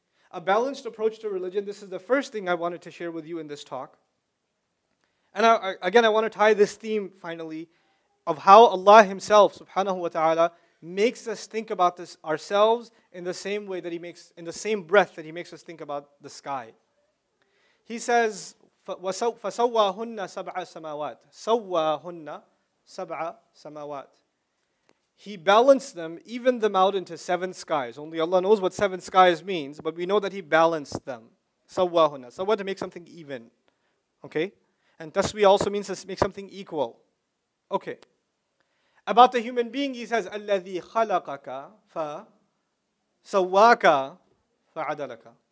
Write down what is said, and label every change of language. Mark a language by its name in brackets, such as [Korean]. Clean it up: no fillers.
[English] A balanced approach to religion, this is the first thing I wanted to share with you in this talk. And I want to tie this theme, finally, of how Allah Himself, subhanahu wa ta'ala, makes us think about this ourselves in the same way that He makes, in the same breath that He makes us think about the sky. He says, [Arabic] فَسَوَّاهُنَّ سَبْعَ سَمَاوَاتِ سَوَّاهُنَّ سَبْعَ سَمَاوَاتِ. [English] He balanced them, evened them out into 7 skies. Only Allah knows what 7 skies means, but we know that He balanced them. Sawahuna. Sawah to make something even. Okay? And taswi also means to make something equal. Okay. About the human being, He says, [Arabic] Alladhi khalaqaka fa sawaka fa adalaka.